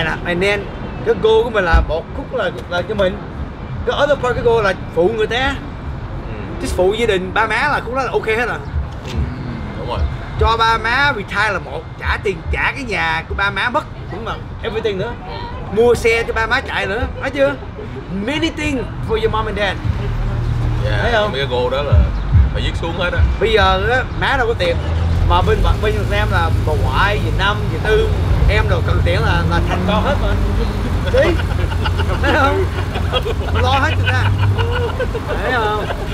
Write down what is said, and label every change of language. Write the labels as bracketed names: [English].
[English] And then, [Vietnamese] cái goal của mình là một khúc là cho mình. Cái [English] other part, [Vietnamese] cái goal là phụ người ta. Just phụ gia đình, ba má là cũng là ok hết rồi. Đúng rồi. Cho ba má retire là một, trả tiền, trả cái nhà của ba má mất. Cũng là everything nữa. Mua xe cho ba má chạy nữa, thấy chưa? [English] Many things for your mom and dad. Yeah, [Vietnamese] thấy không? Mấy cái goal đó là phải viết xuống hết á. Bây giờ á, má đâu có tiền. Mà bên Việt Nam là bà ngoại, dì năm, dì tư, em đâu cần tiền là thành con hết mà. Đi. Thấy không? Lo hết cho ta. Thấy không?